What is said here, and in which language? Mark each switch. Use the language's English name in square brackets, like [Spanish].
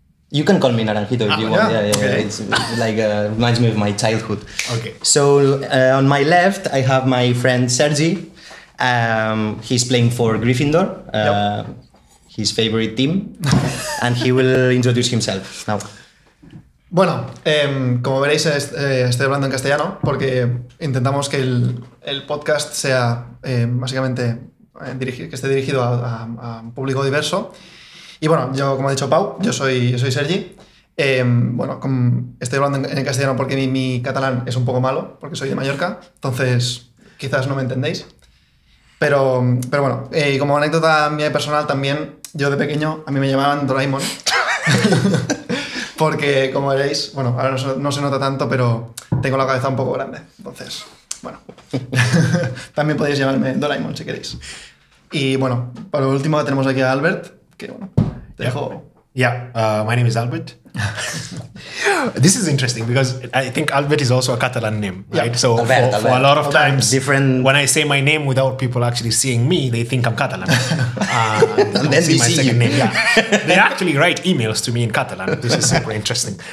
[English] You can call me Naranjito if you want. Yeah. It's like reminds me of my childhood. Okay. So on my left, I have my friend Sergi. He's playing for Gryffindor, his favorite team, and he will introduce himself now. [Spanish] Bueno, como veréis, estoy hablando en castellano porque intentamos que el podcast sea básicamente que esté dirigido a un público diverso. Y bueno, yo, como ha dicho Pau, yo soy Sergi. Bueno, estoy hablando en castellano porque mi catalán es un poco malo, porque soy de Mallorca, entonces quizás no me entendéis. Pero bueno, y como anécdota mía y personal también, yo de pequeño a mí me llamaban Doraemon. Porque, como veréis, bueno, ahora no se nota tanto, pero tengo la cabeza un poco grande. Entonces, bueno, también podéis llamarme Doraemon si queréis. Y bueno, por último tenemos aquí a Albert, que bueno, te dejo. [English] My name is Albert. This is interesting because I think Albert is also a Catalan name, right? So Albert, a lot of times, different... when I say my name without people actually seeing me, they think I'm Catalan. And then they see my second name. They actually write emails to me in Catalan. This is super interesting.